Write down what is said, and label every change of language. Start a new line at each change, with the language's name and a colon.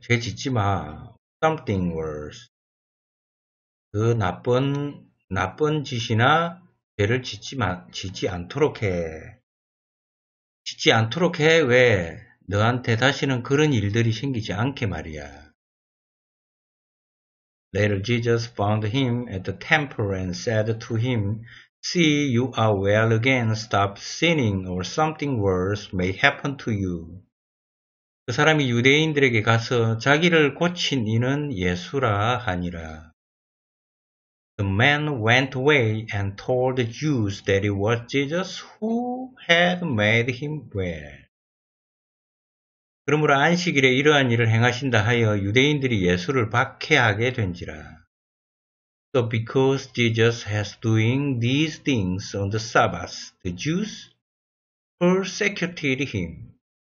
Korean: 죄 짓지 마.
English: something worse.
Korean: 그 나쁜 짓이나 죄를 짓지 않도록 해. 짓지 않도록 해. 왜? 너한테 다시는 그런 일들이 생기지 않게 말이야.
English: Later, Jesus found him at the temple and said to him, See, you are well again. Stop sinning or something worse may happen to you.
Korean: 그 사람이 유대인들에게 가서 자기를 고친 이는 예수라 하니라.
English: The man went away and told the Jews that it was Jesus who had made him well.
Korean: 그러므로 안식일에 이러한 일을 행하신다 하여 유대인들이 예수를 박해하게 된지라.
English: So because Jesus has doing these things on the Sabbath, the Jews persecuted him.